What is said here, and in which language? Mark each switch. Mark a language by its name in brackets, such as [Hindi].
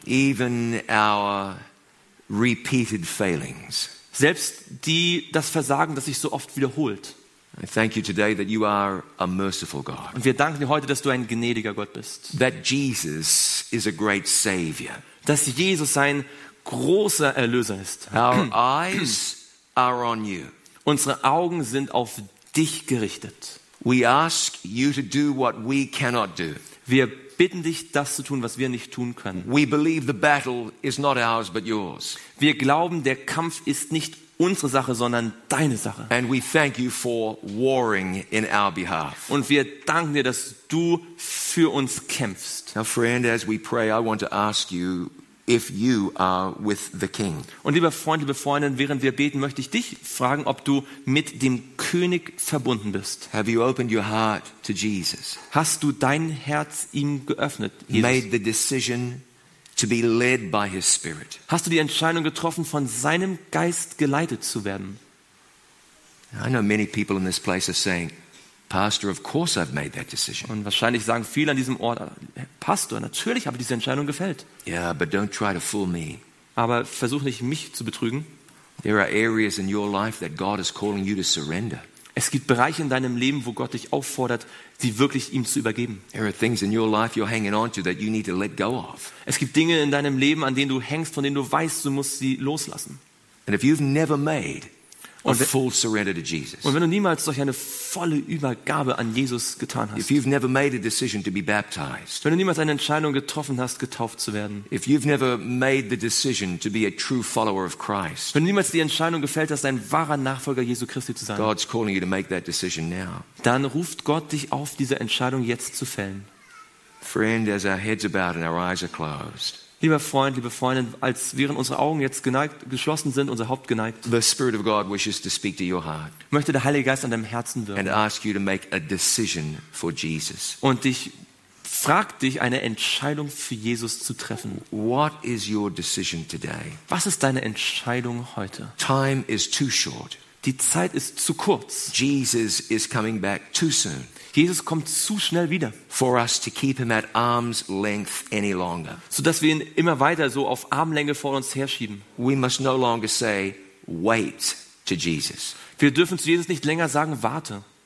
[English] Even our repeated failings. [German] Selbst das Versagen, das sich so oft wiederholt. [English] I thank you today that you are a merciful God. [German] Und wir danken dir heute, dass du ein gnädiger Gott bist. [English] That Jesus is a great Savior. [German] Dass Jesus ein großer Erlöser ist. [English] Our eyes are on you. [German] Unsere Augen sind auf dich gerichtet. [English] We ask you to do what we cannot do. [German] Wir bitten dich, das zu tun, was wir nicht tun können. [English] We believe the battle is not ours but yours. [German] Wir glauben, der Kampf ist nicht unsere Sache, sondern deine Sache. [English] And we thank you for warring in our behalf. [German] Und wir danken dir, dass du für uns kämpfst. [English] Now friend, as we pray, I want to ask you if you are with the king. [German] Und lieber Freund, liebe Freundin, während wir beten, möchte ich dich fragen, ob du mit dem König verbunden bist. [English] Have you opened your heart to Jesus? [German] Hast du dein Herz ihm geöffnet, Jesus? [English] Made the decision to be led by his spirit. [German] Hast du die Entscheidung getroffen, von seinem Geist geleitet zu werden? [English] I know many people in this place are saying, Pastor, of course I've made that decision. [German] Und wahrscheinlich sagen viele an diesem Ort, Pastor, natürlich habe ich diese Entscheidung gefällt. [English] Yeah, but don't try to fool me. [German] Aber versuche nicht, mich zu betrügen. [English] There are areas in your life that God is calling you to surrender. [German] Es gibt Bereiche in deinem Leben, wo Gott dich auffordert, sie wirklich ihm zu übergeben. [English] There are things in your life you're hanging on to that you need to let go of. [German] Es gibt Dinge in deinem Leben, an denen du hängst, von denen du weißt, du musst sie loslassen. [English] And if you've never made a full surrender to Jesus. [German] Und wenn du niemals durch eine volle Übergabe an Jesus getan hast. [English] If you've never made a decision to be baptized. [German] Wenn du niemals eine Entscheidung getroffen hast, getauft zu werden. [English] If you've never made the decision to be a true follower of Christ. [German] Wenn du niemals die Entscheidung gefällt hast, ein wahrer Nachfolger Jesu Christi zu sein. [English] God's calling you to make that decision now. [German] Dann ruft Gott dich auf, diese Entscheidung jetzt zu fällen. [English] Friend, as our heads are bowed and our eyes are closed. [German] Lieber Freund, liebe Freundin, als während unsere Augen jetzt geschlossen sind, unser Haupt geneigt, [English] the Spirit of God wishes to speak to your heart, [German] möchte der Heilige Geist an deinem Herzen wirken [English] and ask you to make a decision for Jesus. [German] Und dich fragt dich, eine Entscheidung für Jesus zu treffen. [English] What is your decision today? [German] Was ist deine Entscheidung heute? [English] Time is too short. [German] Die Zeit ist zu kurz. [English] Jesus is coming back too soon. [German] Jesus kommt zu schnell wieder. [English] For us to keep him at arm's length any longer. [German] So dass wir ihn immer weiter so auf Armlänge vor uns herschieben. [English] We must no longer say wait to Jesus. [German] Wir dürfen zu Jesus nicht länger sagen warte.